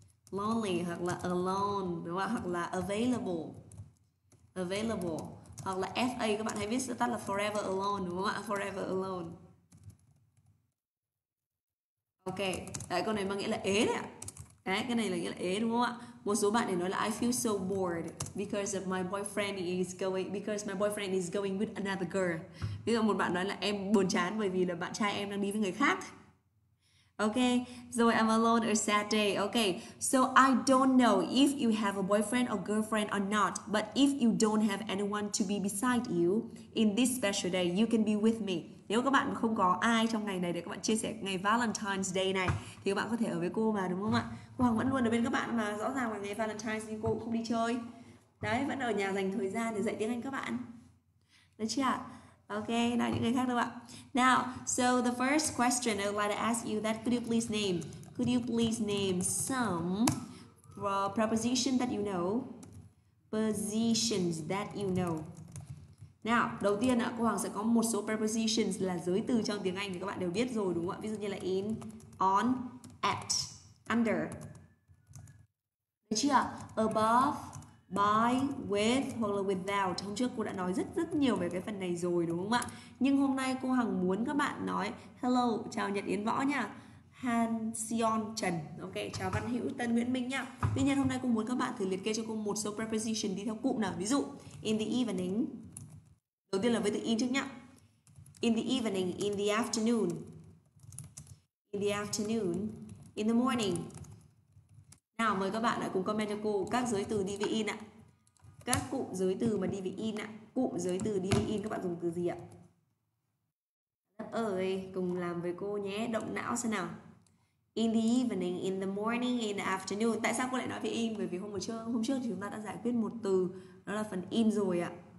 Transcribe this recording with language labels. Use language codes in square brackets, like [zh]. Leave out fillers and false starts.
[vi] Lonely hoặc là alone đúng không? Hoặc là available. Available hoặc là FA, các bạn hãy biết sẽ tắt là forever alone đúng không ạ? Forever alone. Ok, đấy, câu này mang nghĩa là ế đấy ạ. Đấy, cái này là nghĩa là ế đúng không ạ? Một số bạn để nói là [en] I feel so bored because of my boyfriend is going because my boyfriend is going with another girl. [vi] Ví dụ một bạn nói là em buồn chán bởi vì là bạn trai em đang đi với người khác. [en] Ok, rồi I'm alone, a sad day. Ok, so I don't know if you have a boyfriend or girlfriend or not, but if you don't have anyone to be beside you in this special day, you can be with me. [vi] Nếu các bạn không có ai trong ngày này để các bạn chia sẻ ngày Valentine's Day này thì các bạn có thể ở với cô mà đúng không ạ? Cô Hằng vẫn luôn ở bên các bạn mà, rõ ràng là ngày Valentine's nhưng cô cũng không đi chơi. Đấy, vẫn ở nhà dành thời gian để dạy tiếng Anh các bạn. Được chưa ạ? Ok, nào những người khác đâu ạ? [en] Now, so the first question I would like to ask you that could you please name some preposition that you know, positions that you know. [vi] Now, đầu tiên ạ, cô Hoàng sẽ có một số prepositions là giới từ trong tiếng Anh thì các bạn đều biết rồi đúng không ạ? Ví dụ như là in, on, at, under. Được chưa? Above, by, with hoặc là without. Hôm trước cô đã nói rất nhiều về cái phần này rồi đúng không ạ? Nhưng hôm nay cô Hằng muốn các bạn nói hello, chào Nhật Yến Võ nha, Han Sion Trần, ok, chào Văn Hữu Tân Nguyễn Minh nha. Tuy nhiên hôm nay cô muốn các bạn thử liệt kê cho cô một số preposition đi theo cụm nào. Ví dụ in the evening, đầu tiên là với từ in trước nhá. [en] In the evening, in the afternoon, In the afternoon. In the morning. [vi] Nào mời các bạn hãy cùng comment cho cô các giới từ đi với in ạ. Các cụm giới từ mà đi với in ạ. Cụm giới từ đi với in các bạn dùng từ gì ạ? Lớp ơi, cùng làm với cô nhé. Động não xem nào. [en] In the evening, in the morning, in the afternoon. [vi] Tại sao cô lại nói về in? Bởi vì hôm trước thì chúng ta đã giải quyết một từ, đó là phần in rồi ạ.